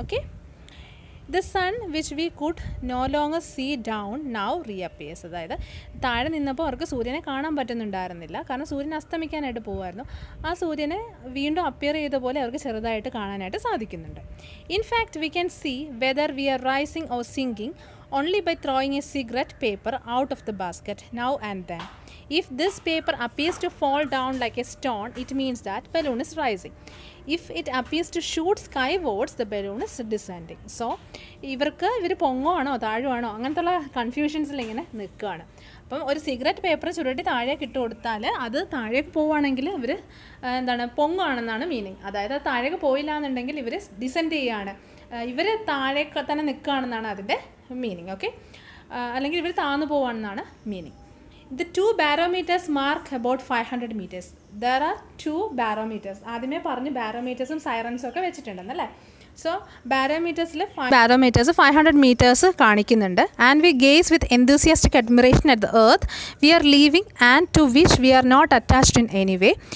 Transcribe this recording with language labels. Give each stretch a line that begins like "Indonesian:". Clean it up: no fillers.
English: Okay, the sun which we could no longer see down now reappears.
Malayalam: അതായത് താഴെ നിന്നപ്പോൾ അവർക്ക് സൂര്യനെ കാണാൻ പറ്റുന്നുണ്ടായിരുന്നില്ല, കാരണം സൂര്യൻ അസ്തമിക്കാനായിട്ട് പോകുമായിരുന്നു. ആ സൂര്യനെ വീണ്ടും അപ്പിയർ ചെയ്ത പോലെ അവർക്ക് ചെറുതായിട്ട് കാണാനായിട്ട് സാധിക്കുന്നുണ്ട്.
English: In fact we can see whether we are rising or sinking only by throwing a cigarette paper out of the basket now and then. If this paper appears to fall down like a stone, it means that balloon is rising. If it appears to shoot skywards, the balloon is descending.
Malayalam: So, ഇവർക്ക് ഇവർ പൊങ്ങുവാണോ താഴുവാണോ അങ്ങനത്തുള്ള കൺഫ്യൂഷൻസിൽ ഇങ്ങനെ നിൽക്കുകയാണ്. അപ്പം ഒരു cigarette paper ചുരുട്ടി താഴേക്ക് ഇട്ട് കൊടുത്താൽ അത് താഴേക്ക് പോവുകയാണെങ്കിൽ ഇവർ എന്താണ് പൊങ്ങുകയാണെന്നാണ് മീനിങ്. അതായത് താഴേക്ക് പോയില്ല എന്നുണ്ടെങ്കിൽ ഇവർ ഡിസെൻഡ് ചെയ്യുകയാണ്, ഇവർ താഴേക്ക് തന്നെ നിൽക്കുകയാണെന്നാണ് അതിൻ്റെ മീനിങ്. ഓക്കെ, അല്ലെങ്കിൽ ഇവർ താഴ്ന്നു പോവുകയാണെന്നാണ് meaning.
English: The two barometers mark about 500 meters. There are two barometers.
Malayalam: ആദ്യമേ പറഞ്ഞ് ബാരോമീറ്റേഴ്സും സൈറൻസും ഒക്കെ വെച്ചിട്ടുണ്ടെന്നല്ലേ. സോ ബാരോമീറ്റേഴ്സിൽ ബാരോമീറ്റേഴ്സ് 500 മീറ്റേഴ്സ് കാണിക്കുന്നുണ്ട്.
English: And we gaze with enthusiastic admiration at the earth we are leaving and to which we are not attached in any way.